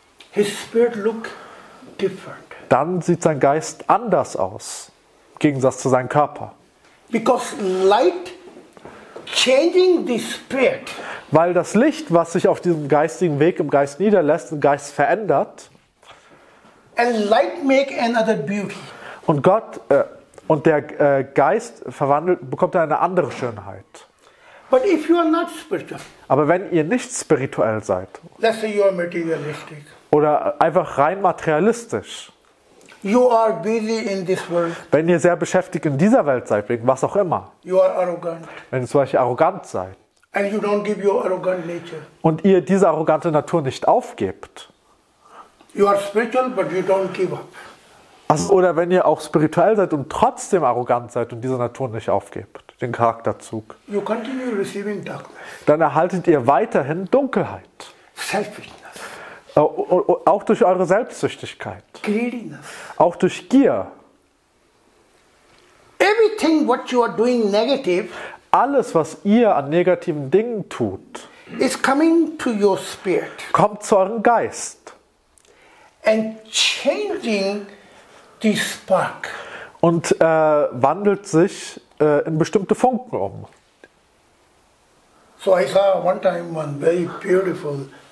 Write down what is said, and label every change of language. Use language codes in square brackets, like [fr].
[en] His spirit look different. [de] Dann sieht sein Geist anders aus, im Gegensatz zu seinem Körper. [en] Because light changing the spirit. [de] Weil das Licht, was sich auf diesem geistigen Weg im Geist niederlässt, den Geist verändert. [en] And light make another beauty. [de] Und Gott und der Geist verwandelt, bekommt eine andere Schönheit. [en] But if you are not spiritual. [de] Aber wenn ihr nicht spirituell seid. [en] Let's say you are materialistic. [de] Oder einfach rein materialistisch. [en] You are busy in this world. [de] Wenn ihr sehr beschäftigt in dieser Welt seid, wegen was auch immer. [en] You are arrogant. [de] Wenn ihr zum Beispiel arrogant seid. [en] And you don't give your arrogant nature. [de] Und ihr diese arrogante Natur nicht aufgebt. [en] You are spiritual, but you don't give up. [de] Also, oder wenn ihr auch spirituell seid und trotzdem arrogant seid und diese Natur nicht aufgebt, den Charakterzug. [en] You continue receiving darkness. [de] Dann erhaltet ihr weiterhin Dunkelheit. [en] Selfishness. [de] Auch durch eure Selbstsüchtigkeit. [en] Greediness. [de] Auch durch Gier. [en] Everything what you are doing negative. [de] Alles, was ihr an negativen Dingen tut, [en] is coming to your spirit. [de] Kommt zu eurem Geist. [en] And changing the spark. [de] Und wandelt sich in bestimmte Funken um. [en] So I saw one time one very beautiful.